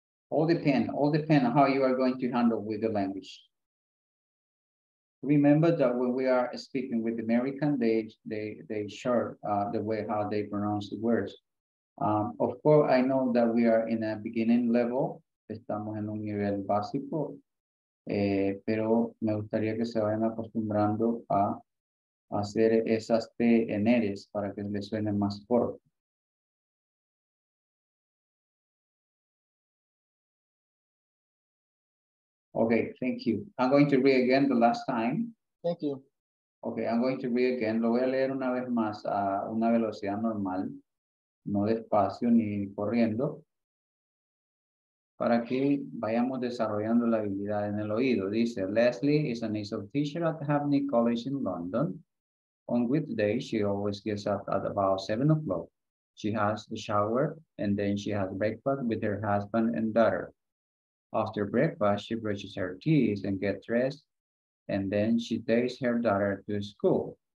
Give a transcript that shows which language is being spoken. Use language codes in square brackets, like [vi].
[en] All depend on how you are going to handle with the language. Remember that when we are speaking with American, they share the way how they pronounce the words. Of course, I know that we are in a beginning level. [es] Estamos en un nivel básico, pero me gustaría que se vayan acostumbrando a hacer esas T en eres para que les suene más corto. [en] Okay, thank you. I'm going to read again the last time. Thank you. Okay, I'm going to read again. [es] Lo voy a leer una vez más a una velocidad normal, no despacio ni corriendo, para que vayamos desarrollando la habilidad en el oído. Dice, [en] Leslie is an ISO teacher at Hackney College in London. On weekdays, she always gets up at about 7:00. She has a shower and then she has breakfast with her husband and daughter. After breakfast, she brushes her teeth and gets dressed and then she takes her daughter to school.